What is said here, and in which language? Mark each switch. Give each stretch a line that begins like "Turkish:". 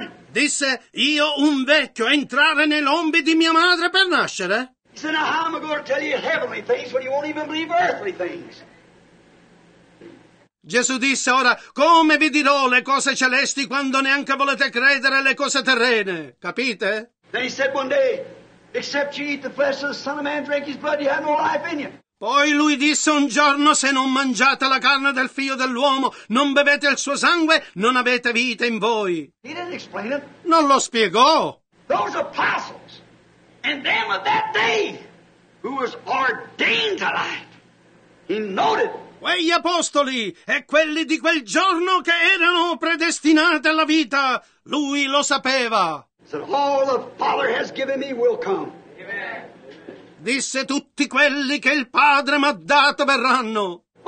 Italian: Disse, io un vecchio, entrare nei lombi di mia madre per nascere?
English: He said, now how am I going to tell you heavenly things when you won't even believe earthly things?
Italian: Gesù disse, ora, come vi dirò le cose celesti quando neanche volete credere le cose terrene? Capite?
English: Then he said one day, except you eat the flesh of the Son of Man, drink his blood, you have no life in you.
Italian: Poi lui disse un giorno, se non mangiate la carne del figlio dell'uomo, non bevete il suo sangue, non avete vita in voi.
English: He didn't explain it.
Italian: Non lo spiegò.
English: Those apostles and them of that day who was ordained to life. He noted.
Italian: Quegli apostoli e quelli di quel giorno che erano predestinati alla vita, lui lo sapeva.
English: Said, all the Father has given me will come. Amen.
Italian: Disse, tutti quelli che il Padre mi ha dato verranno.